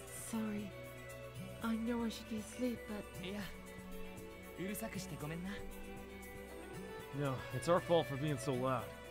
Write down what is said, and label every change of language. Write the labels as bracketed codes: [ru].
[en] Sorry, I know I should be asleep, but... [ja] いや、うるさくしてごめんな. [en] No, it's our fault for being so loud.